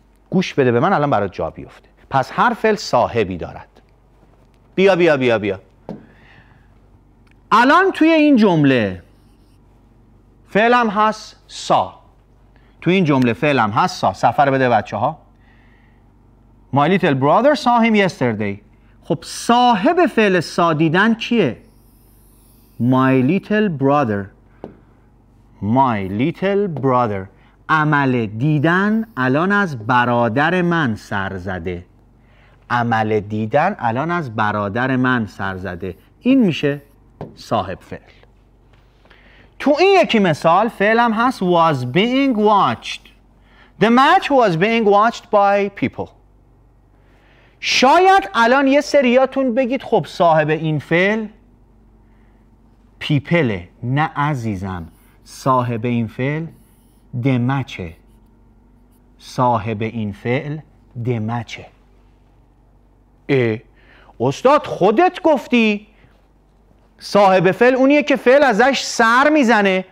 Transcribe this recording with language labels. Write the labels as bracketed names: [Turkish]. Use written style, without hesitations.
[Persian] گوش بده به من الان برات جا بیفته. پس هر فعل صاحبی دارد. بیا بیا بیا بیا الان توی این جمله فعلم هست سا، توی این جمله فعلم هست سا. سفر بده بچه ها. [English] My little brother saw him yesterday. [Persian] خب صاحب فعل سا دیدن کیه؟ [English] My little brother. My little brother. [Persian] عمل دیدن الان از برادر من سر زده. عمل دیدن الان از برادر من سر زده. این میشه صاحب فعل. تو این یکی مثال فعلم هست [English] was being watched. The match was being watched by people. [Persian] شاید الان یه سریاتون بگید خب صاحب این فعل پیپله. نه عزیزم، صاحب این فعل دمچه. صاحب این فعل دمچه. ای استاد خودت گفتی صاحب فعل اونیه که فعل ازش سر میزنه.